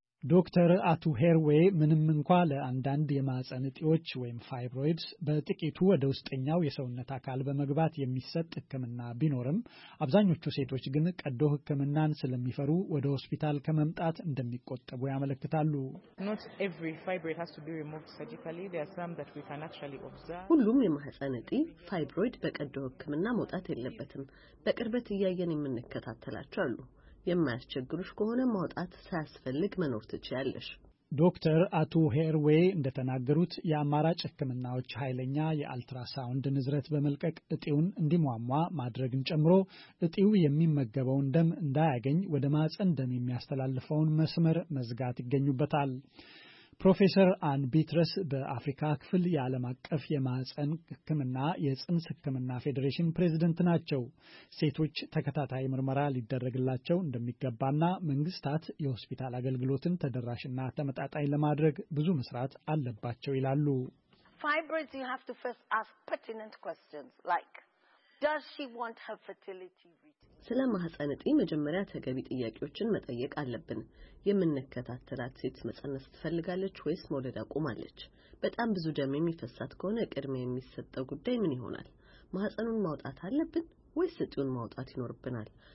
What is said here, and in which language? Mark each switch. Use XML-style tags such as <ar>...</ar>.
<am>ዶክተር አቱ ሄርዌ ምንም እንኳን ለአንዳንድ የማህፀን እጢዎች ወይም ፋይብሮይድስ በጥቂቱ ወደ ውስጠኛው የሰውነት አካል በመግባት የሚሰጥ ህክምና ቢኖርም አብዛኞቹ ሴቶች ግን ቀዶ ህክምናን ስለሚፈሩ ወደ ሆስፒታል ከመምጣት እንደሚቆጠቡ ያመለክታሉ።</am> <en>Not every fibroid has to be removed surgically. There are some that we can actually observe.</en> <am>ሁሉም የማህፀን እጢ ፋይብሮይድ በቀዶ ህክምና መውጣት የለበትም። በቅርበት እያየን የምንከታተላቸው አሉ። የማያስቸግሩሽ ከሆነ ማውጣት ሳያስፈልግ መኖር ትችያለሽ። ዶክተር አቶ ሄርዌ እንደተናገሩት የአማራጭ ህክምናዎች ኃይለኛ የአልትራሳውንድ ንዝረት በመልቀቅ እጢውን እንዲሟሟ ማድረግን ጨምሮ እጢው የሚመገበውን ደም እንዳያገኝ ወደ ማህፀን ደም የሚያስተላልፈውን መስመር መዝጋት ይገኙበታል። ፕሮፌሰር አን ቢትረስ በአፍሪካ ክፍል የዓለም አቀፍ የማህፀን ህክምና የጽንስ ህክምና ፌዴሬሽን ፕሬዝዳንት ናቸው። ሴቶች ተከታታይ ምርመራ ሊደረግላቸው እንደሚገባና መንግስታት የሆስፒታል አገልግሎትን ተደራሽና ተመጣጣኝ ለማድረግ ብዙ መስራት አለባቸው ይላሉ።</am> <en>Fibroids, you have to first ask pertinent questions like does she want her fertility treated?</en> <am>ስለማህፀን እጢ መጀመሪያ ተገቢ ጥያቄዎችን መጠየቅ አለብን። የምንከታተላት ሴት መጸነስ ትፈልጋለች ወይስ መውለድ አቁማለች? በጣም ብዙ ደም የሚፈሳት ከሆነ ቅድሚያ የሚሰጠው ጉዳይ ምን ይሆናል? ማህፀኑን ማውጣት አለብን ወይስ እጢውን ማውጣት ይኖርብናል?</am>